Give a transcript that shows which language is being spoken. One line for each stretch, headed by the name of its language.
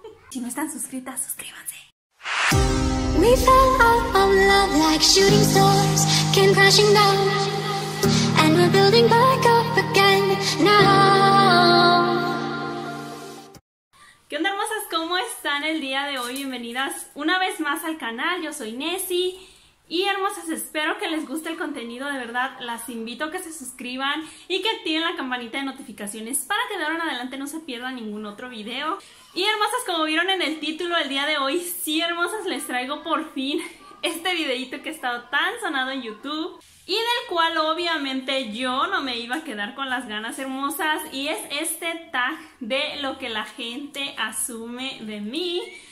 Spanish: Si no están suscritas, suscríbanse.
English: We fell out of love like shooting stars came crashing down. And we're building back up again now.
Spanish: ¿Qué onda, hermosas? ¿Cómo están el día de hoy? Bienvenidas una vez más al canal. Yo soy Nessie. Y hermosas, espero que les guste el contenido, de verdad, las invito a que se suscriban y que activen la campanita de notificaciones para que de ahora en adelante no se pierda ningún otro video. Y hermosas, como vieron en el título, el día de hoy, sí, hermosas, les traigo por fin este videito que ha estado tan sonado en YouTube y del cual obviamente yo no me iba a quedar con las ganas, hermosas, y es este tag de lo que la gente asume de mí.